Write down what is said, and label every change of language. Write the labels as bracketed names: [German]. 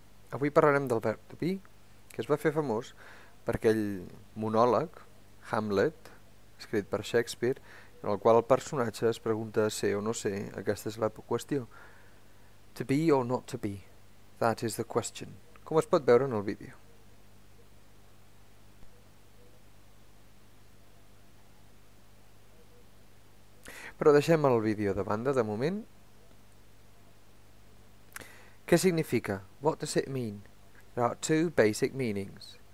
[Catalan] Avui parlarem del verb to be, que es va fer famós per aquell monòleg, Hamlet, escrit per Shakespeare, en el qual el personatge es pregunta ser o no ser, aquesta és la qüestió. [English] To be or not to be, that is the question. [Catalan] Com es pot veure en el vídeo? Però deixem el vídeo de banda, de moment. Què significa? [English] What does it mean? There are two basic meanings.